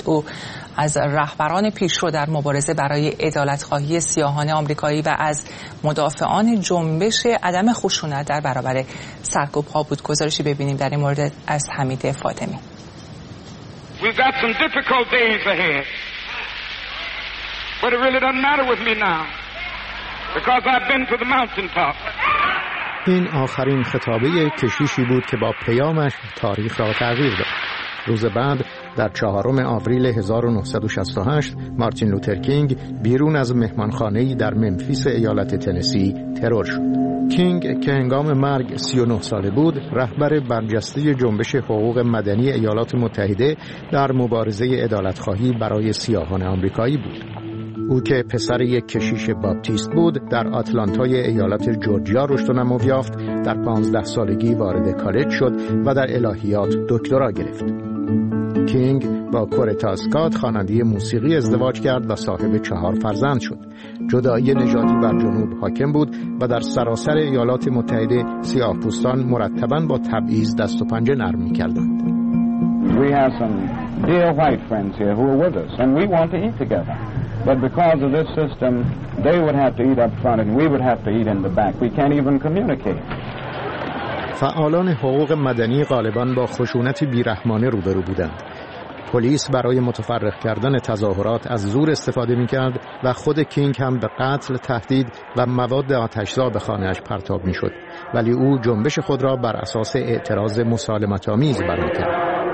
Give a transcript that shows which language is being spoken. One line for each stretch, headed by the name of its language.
Persian: او از رهبران پیشرو در مبارزه برای عدالت‌خواهی سیاهان آمریکایی و از مدافعان جنبش عدم خشونت در برابر سرکوب‌ها بود. گزارشی ببینیم در این مورد از حمید فاطمی.
English: We've got some difficult days ahead. But it really doesn't matter with me now because I've been to the mountaintop.
Persian: این آخرین خطابه کشیشی بود که با پیامش تاریخ را تغییر داد. روز بعد در 4 آوریل 1968 مارتین لوتر کینگ بیرون از مهمانخانه‌ای در ممفیس ایالت تنسی ترور شد. کینگ که هنگام مرگ 39 ساله بود، رهبر برجسته جنبش حقوق مدنی ایالات متحده در مبارزه عدالت‌خواهی برای سیاهان آمریکایی بود. او که پسر یک کشیش باپتیست بود، در آتلانتای ایالت جورجیا رشد و نمو یافت، در 15 سالگی وارد کالج شد و در الهیات دکترا گرفت. کینگ با کورتا اسکات خواننده موسیقی ازدواج کرد و صاحب 4 فرزند شد. جدایی نژادی بر جنوب حاکم بود و در سراسر ایالات متحده سیاه‌پوستان مرتباً با تبعیض دست و پنجه نرم می‌کردند.
English: We have some dear white friends here who are with us and we want to eat together. But because of this system, they would have to eat up front and we would have to eat in the back. We can't even communicate.
Persian: فعالان حقوق مدنی غالباً با خشونت بی‌رحمانه روبرو بودند. پلیس برای متفرق کردن تظاهرات از زور استفاده می‌کرد و خود کینگ هم به قتل تهدید و مواد آتشزا به خانه‌اش پرتاب می‌شد. ولی او جنبش خود را بر اساس اعتراض مسالمت‌آمیز برپا کرد.